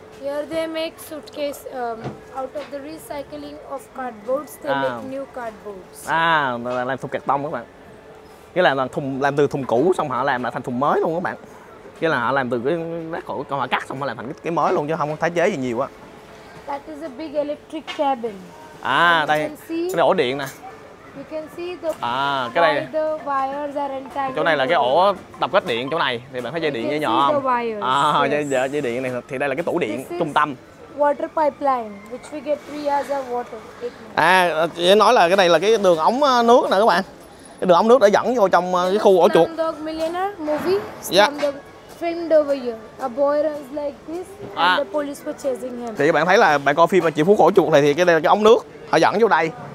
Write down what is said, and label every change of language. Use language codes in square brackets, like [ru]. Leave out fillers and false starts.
[en] Here they make suitcase out of the recycling of cardboards. They make new cardboards. [vi] Ah, làm thùng cạc tông các bạn. Nghĩa là thùng làm từ thùng cũ xong họ làm lại thành thùng mới luôn các bạn. Chứ là họ làm từ cái rác cũ, còn họ cắt xong họ làm thành cái mới luôn chứ không có tái chế gì nhiều á. [en] That is a big electric cabin. [vi] À, and đây, cái ổ điện nè. [en] You can see the, [vi] à, cái này, [en] the wires are entangled. [vi] Chỗ này là cái ổ tập kết điện chỗ này, thì bạn thấy dây điện nhỏ không? [en] You can see the wires. [vi] À, dây điện này, thì đây là cái tủ điện, [en] this [vi] trung tâm. [en] Water pipeline, which we get 3 hours of water. [vi] À, chị nói là cái này là cái đường ống nước nè các bạn. Cái đường ống nước đã dẫn vô trong cái khu ổ chuột. [en] Slumdog Millionaire movie? Yeah. Filmed over here. A boy runs like this and the police were chasing him. [vi] Thì các bạn thấy là bạn coi phim mà chị Phú khổ chuột này thì cái đây là cái ống nước họ dẫn vô đây.